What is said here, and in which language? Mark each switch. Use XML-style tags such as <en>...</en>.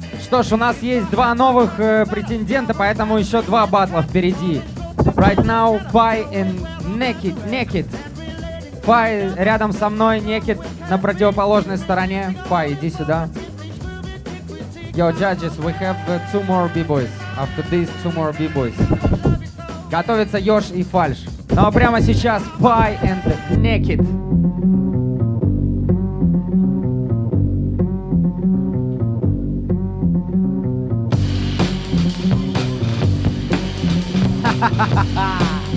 <ru>Что ж, у нас есть два новых претендента, поэтому еще два батла впереди.</ru> <en>Right now, Pai and Naked. Naked.</en> <ru>Pai рядом со мной, Naked на противоположной стороне. Pai, иди сюда.</ru> <en>Yo, judges, we have two more b-boys. After this, two more b-boys.</en> <ru>Готовится Ёж и Фальш. Ну а прямо сейчас Pai and Naked. Ha ha ha ha!</ru>